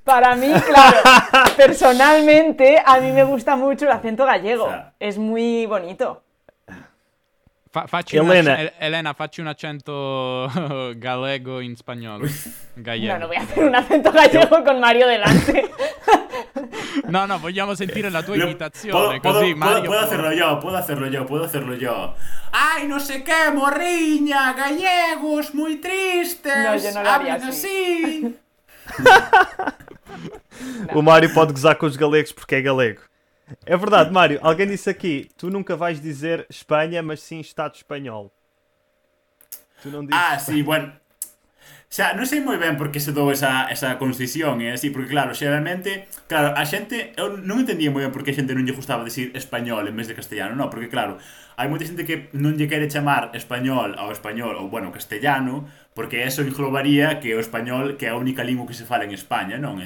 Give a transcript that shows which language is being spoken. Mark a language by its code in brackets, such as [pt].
[es] Para mí, claro, personalmente, a mí me gusta mucho el acento gallego. Es muy bonito. [it] Elena, facci un acento galego [es] en español. Gallego. No, no voy a hacer un acento gallego con Mario delante. [it] No, no, vogliamo sentire la tua imitazione, così Mario... [es] Puedo hacerlo yo. ¡Ay, no sé qué, morriña! ¡Gallegos, muy tristes! No, yo no lo haría así. [pt] O Mario pode gozar com os galegos porque é galego. É verdade, Mario, alguém disse aqui, tu nunca vais dizer Espanha, mas sim Estado Espanhol. Tu não dizes Espanha. Sim, bueno... [gl] O sea, non sei moi ben por que se dou esa concisión, é así, porque claro, xeralmente, claro, a xente, eu non entendía moi ben por que a xente non lle gustaba decir español en vez de castellano, non, porque claro, hai moita xente que non lle quere chamar español, ou bueno, castellano, porque eso englobaría que o español que é a única lingua que se fala en España, non?